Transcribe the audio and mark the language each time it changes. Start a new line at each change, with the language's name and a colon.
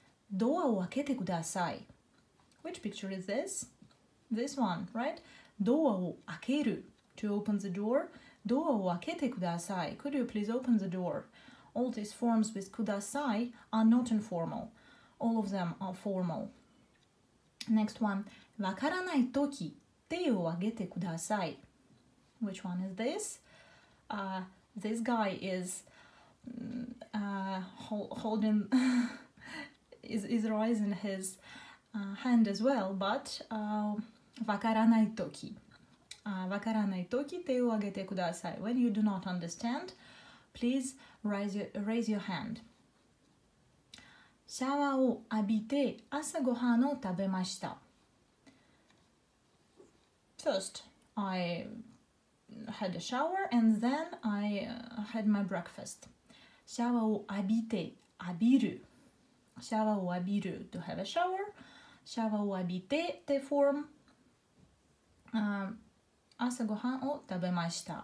Japanese: ドアを開けてください。
English: Which picture is this? This one, right?
Japanese: ドアを開ける。
English: To open the door.
Japanese: ドアを開けてください。
English: Could you please open the door? All these forms with ください are not informal. All of them are formal. Next one,
Japanese: わからないとき、手を挙げてください。
English: Which one is this? This guy is holding, is raising his hand as well, but
Japanese: わからないとき。わからないとき、手を挙げてください。
English: When you do not understand, please raise your hand.
Japanese: シャワーを浴びて朝ごはんを食べました。
English: First, I had a shower and then I had my breakfast.
Japanese: シャワーを浴びて、浴びる。シャワーを浴びる。
English: To have a shower.
Japanese: シャワーを浴びて、
English: the form.
Japanese: 朝ごはんを食べました。